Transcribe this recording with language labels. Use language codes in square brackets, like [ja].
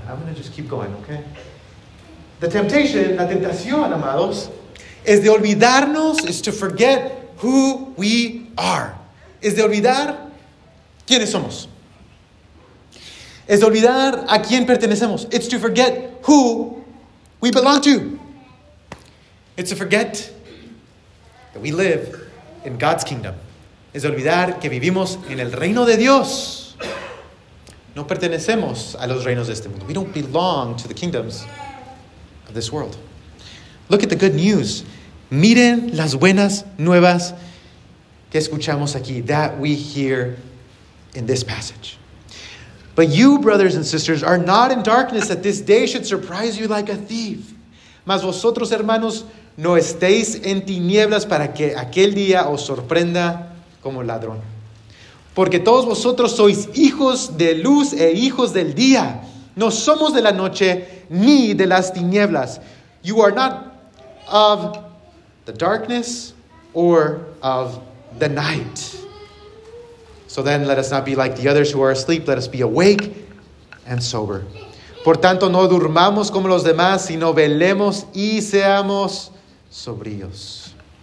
[en] I'm going to just keep going, okay? The temptation, [es] la tentación, amados, [en] is [es] de olvidarnos, [en] is to forget who we are. [es] Es de olvidar quiénes somos. Es de olvidar a quién pertenecemos. [en] It's to forget who we belong to. It's to forget that we live in God's kingdom. [es] Es de olvidar que vivimos en el reino de Dios. No pertenecemos a los reinos de este mundo. [en] We don't belong to the kingdoms of this world. Look at the good news. [es] Miren las buenas nuevas que escuchamos aquí, [en] that we hear in this passage. But you, brothers and sisters, are not in darkness that this day should surprise you like a thief. [es] Mas vosotros, hermanos, no estéis en tinieblas para que aquel día os sorprenda como ladrón. Porque todos vosotros sois hijos de luz e hijos del día. No somos de la noche ni de las tinieblas. [en] You are not of the darkness or of the night. So then let us not be like the others who are asleep. Let us be awake and sober. [es] Por tanto, no durmamos como los demás, sino velemos y seamos sobrios.